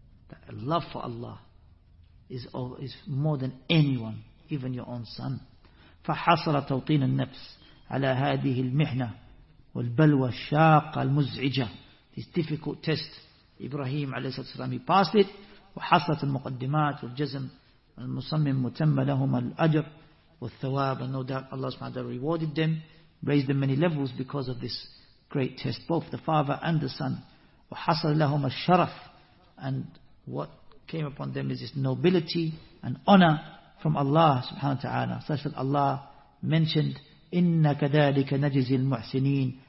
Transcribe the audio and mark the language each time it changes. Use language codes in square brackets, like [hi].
[en] That love for Allah is more than anyone, even your own son. [ar] فَحَصَرَ تَوْطِينَ النَّفْسِ عَلَى هَذِهِ الْمِحْنَةِ والبلوى الشاقة المزعجة. [en] This difficult test, Ibrahim [ar] عليه الصلاة والسلام, [en] he passed it. [ar] وحصلت المقدمات والجزم المصمم متم لهم الأجر والثواب. [en] And no doubt Allah subhanahu wa ta'ala rewarded them, raised them many levels because of this great test, both the father and the son. [ar] وحصل لهم الشرف. [en] And what came upon them is this nobility and honor from Allah subhanahu wa ta'ala, such that Allah mentioned, [ar] إِنَّ كَذَلِكَ نَجِزِي الْمُحْسِنِينَ.